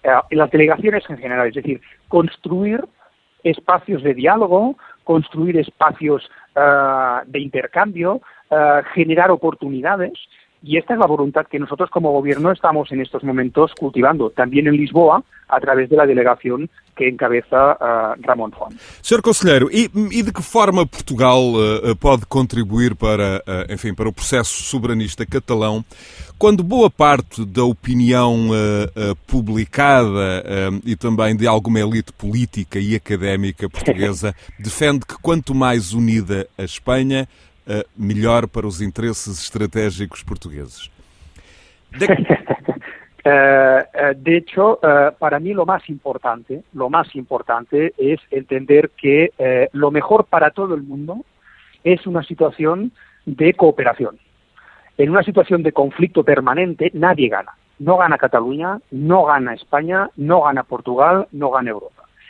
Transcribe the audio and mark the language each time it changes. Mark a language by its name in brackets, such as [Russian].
[Spanish] Las delegaciones en general, es decir, construir espacios de diálogo, construir espacios de intercambio, generar oportunidades. Y esta es la voluntad que nosotros como gobierno estamos en estos momentos cultivando, también en Lisboa, a través de la delegación que encabeza Ramón Juan. [Portuguese] Sr. Conselheiro, e de que forma Portugal pode contribuir para, enfim, para o processo soberanista catalão, quando boa parte da opinião publicada e também de alguma elite política e académica portuguesa defende que quanto mais unida a Espanha, melhor para os interesses estratégicos portugueses? [Spanish] De hecho, para mí lo más importante es entender que lo mejor para todo el mundo es una situación de cooperación. En una situación de conflicto permanente nadie gana. No gana Cataluña, no gana España, no gana Portugal, no gana Europa.